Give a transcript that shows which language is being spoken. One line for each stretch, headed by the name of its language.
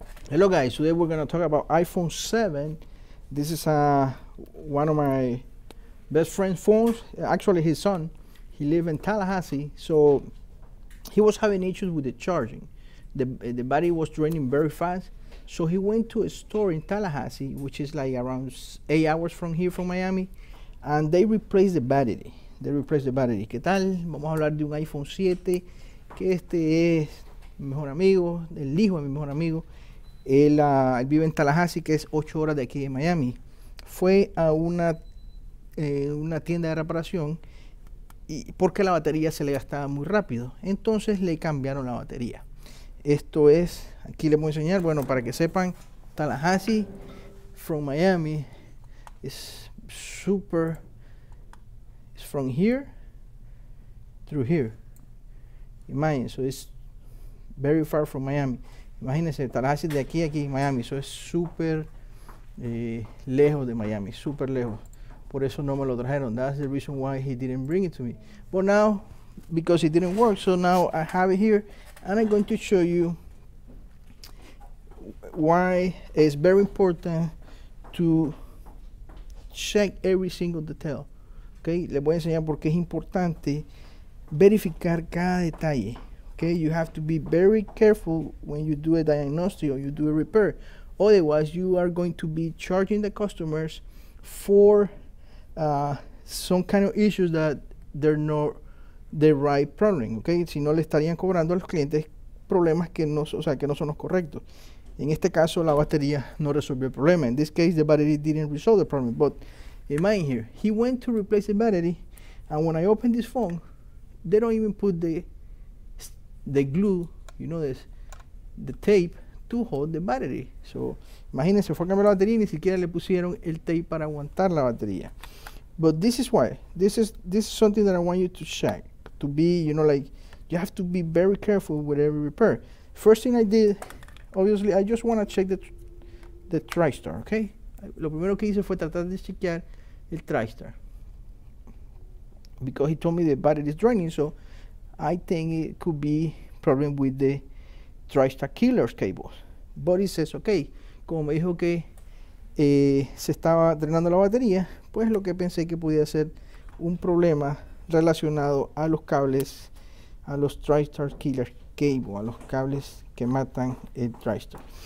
English: Hello guys, today we're going to talk about iPhone 7. This is one of my best friend's phones, actually his son. He lives in Tallahassee, so he was having issues with the charging. The battery was draining very fast, so he went to a store in Tallahassee, which is like around 8 hours from here, from Miami, and they replaced the battery. They replaced the battery.
Spanish: ¿Qué tal? Vamos a hablar de un iPhone 7, que este es mi mejor amigo, el hijo de mi mejor amigo. Él vive en Tallahassee, que es 8 horas de aquí de Miami. Fue a una tienda de reparación y porque la batería se le gastaba muy rápido. Entonces le cambiaron la batería. Esto es, aquí les voy a enseñar, bueno, para que sepan,
English: Tallahassee from Miami is super, it's from here through here. Imagine, so it's very far from Miami.
Spanish: Imagínense, Tallahassee de aquí a aquí, Miami, eso es súper lejos de Miami, súper lejos. Por eso no me lo trajeron.
English: That's the reason why he didn't bring it to me. But now, because it didn't work, so now I have it here, and I'm going to show you why it's very important to check every single detail.
Spanish: Okay, les voy a enseñar por qué es importante verificar cada detalle.
English: Okay, you have to be very careful when you do a diagnostic or you do a repair. Otherwise, you are going to be charging the customers for some kind of issues that they're not the right problem.
Spanish: Okay, si no le estarían cobrando a los clientes problemas que no, o sea, que no son los correctos. En este caso, la batería no resolvió el problema.
English: In this case, the battery didn't resolve the problem. But imagine here, he went to replace the battery, and when I opened this phone, they don't even put the glue, you know this, the tape to hold the battery.
Spanish: So, imagínense, fue a cambiar la batería y ni siquiera le pusieron el tape para aguantar la batería.
English: But this is why, this is something that I want you to check, to be, you know, like, you have to be very careful with every repair. First thing I did, obviously, I just want to check the TriStar, okay?
Spanish: Lo primero que hice fue tratar de chequear el TriStar.
English: Because he told me the battery is draining, so I think it could be problem with the TriStar killer's cables. But it says,
Spanish: okay, como me dijo que se estaba drenando la batería, pues lo que pensé que podía ser un problema relacionado a los cables, a los TriStar killer cable, a los cables que matan el TriStar.